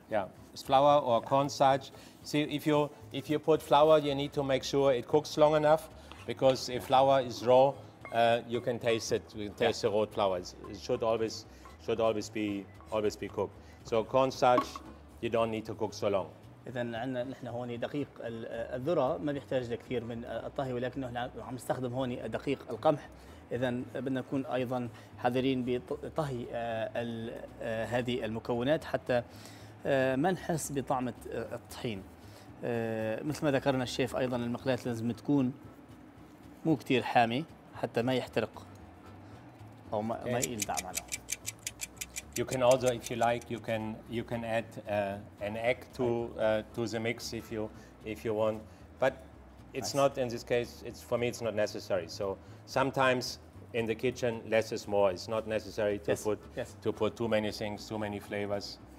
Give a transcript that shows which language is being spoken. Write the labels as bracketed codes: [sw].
[en] Yeah, flour or cornstarch. See, if you put flour, you need to make sure it cooks long enough, because if flour is raw. You can taste it. You can taste the raw flour. It should always be cooked. So cornstarch, you don't need to cook so long. [ar] إذا عنا نحن هوني دقيق الذرة ما بيحتاج لكثير من الطهي، ولكن نحن عم نستخدم هوني دقيق القمح. إذا بدنا نكون أيضا حذرين بطهي هذه المكونات حتى ما نحس بطعمة الطحين. مثل ما ذكرنا الشيف أيضا المقلاة لازم تكون مو كثير حامي. حتى ما يحترق أو ما okay. ما يلدع معنا. [en] You can also, if you like, you can add an egg to the mix if you if you want, but it's nice. Not in this case, it's for me, it's not necessary. So sometimes in the kitchen, less is more. It's not necessary to put too many things, too many flavors.